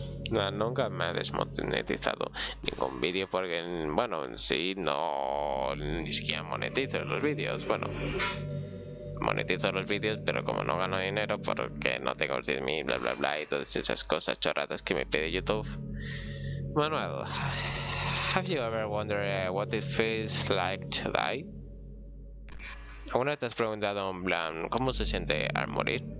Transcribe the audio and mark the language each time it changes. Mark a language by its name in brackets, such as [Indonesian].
[Spanish] No, nunca me ha desmonetizado ningún vídeo porque, bueno, en sí, no, ni siquiera monetizo los vídeos, bueno. monetizo los vídeos, pero como no gano dinero porque no tengo 10.000, bla bla bla, y todas esas cosas choradas que me pide YouTube. [English] Manuel, have you ever wondered what it feels like to die? [Spanish] ¿Alguna vez te has preguntado, en plan, cómo se siente al morir?